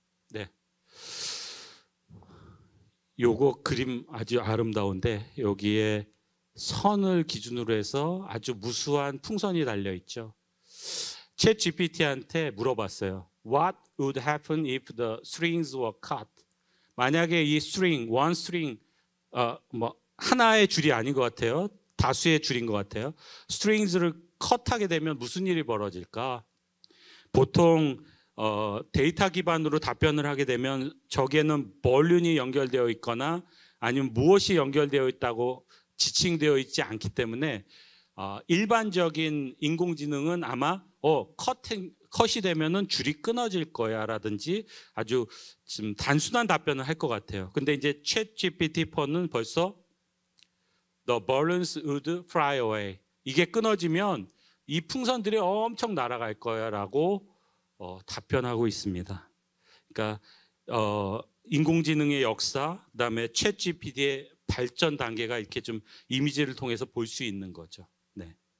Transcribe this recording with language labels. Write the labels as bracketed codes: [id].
[ko] 네, 요거 그림 아주 아름다운데 여기에 선을 기준으로 해서 아주 무수한 풍선이 달려 있죠. 챗 GPT한테 물어봤어요. [en] What would happen if the strings were cut? [ko] 만약에 이 string, one string, 하나의 줄이 아닌 것 같아요. 다수의 줄인 것 같아요. Strings를 컷하게 되면 무슨 일이 벌어질까? 보통 데이터 기반으로 답변을 하게 되면 저기에는 볼륨이 연결되어 있거나 아니면 무엇이 연결되어 있다고 지칭되어 있지 않기 때문에 일반적인 인공지능은 아마 컷이 되면은 줄이 끊어질 거야라든지 아주 지금 단순한 답변을 할 것 같아요. 근데 이제 ChatGPT4는 벌써 [en] The balloons would fly away. [ko] 이게 끊어지면 이 풍선들이 엄청 날아갈 거야라고 답변하고 있습니다. 그러니까 인공지능의 역사, 그다음에 ChatGPT의 발전 단계가 이렇게 좀 이미지를 통해서 볼 수 있는 거죠. 네.